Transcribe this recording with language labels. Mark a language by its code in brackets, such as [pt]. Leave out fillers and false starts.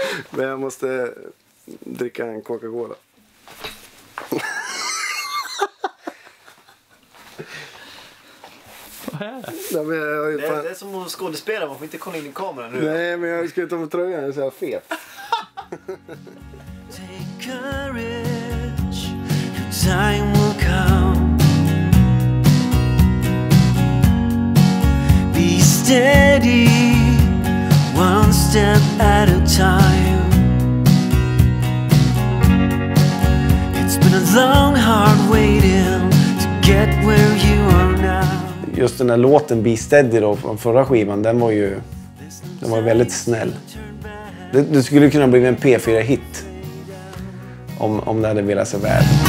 [sv] Men jag måste dricka en Coca-Cola. Nej, men jag, det, fan... det är som att skådespela, man får inte kolla in i kameran nu. Nej, men jag ska ju ta på tröjan, jag är så här fet. [en] Take courage, your time will come. Be steady, one step at a time. It's been a long, hard waiting to get where you are now. [sv] Just den här låten Be Steady då, från förra skivan, den var väldigt snäll. Det skulle kunna bli en P4-hit om det hade velat sig väl.